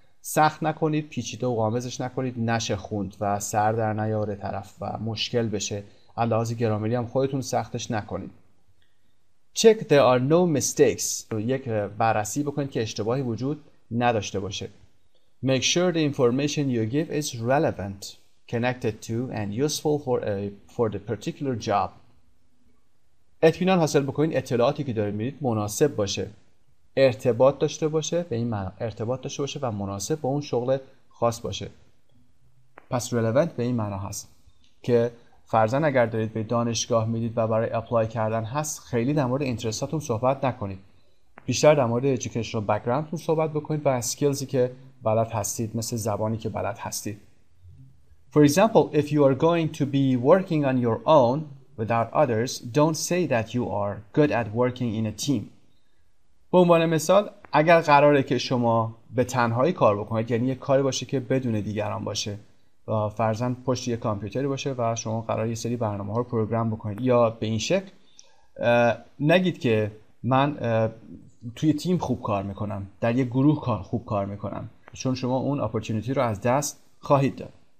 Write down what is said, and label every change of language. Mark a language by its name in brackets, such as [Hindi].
[Persian] سخت نکنید، پیچیده و قامزش نکنید، نشه خوند و سر در نیاره طرف و مشکل بشه. علاوه گرامری هم خودتون سختش نکنید. [English] Check there are no mistakes. [Persian] یک بررسی بکنید که اشتباهی وجود نداشته باشه. [English] Make sure the information you give is relevant, connected to and useful for the particular job. [Persian] اطمینان حاصل بکنید اطلاعاتی که دارید میدید مناسب باشه. ارتباط داشته باشه به این معنا ارتباط داشته باشه و مناسب با اون شغل خاص باشه. پس relevant به این معنا هست که فرضاً اگر دارید به دانشگاه میدید و برای اپلای کردن هست خیلی در مورد اینترستاتون صحبت نکنید. بیشتر در مورد educational backgroundتون صحبت بکنید و skillsی که بلد هستید، مثل زبانی که بلد هستید. [English] For example, if you are going to be working on your own without others, don't say that you are good at working in a team. [Persian] به عنوان مثال اگر قراره که شما به تنهایی کار بکنید، یعنی یک کاری باشه که بدون دیگران باشه و فرضاً پشت یک کامپیوتری باشه و شما قراره یه سری برنامه ها رو پروگرام بکنید، یا به این شکل نگید که من توی تیم خوب کار میکنم، در یک گروه خوب کار میکنم، چون شما اون اپورتونیتی رو از دست خواهید داد.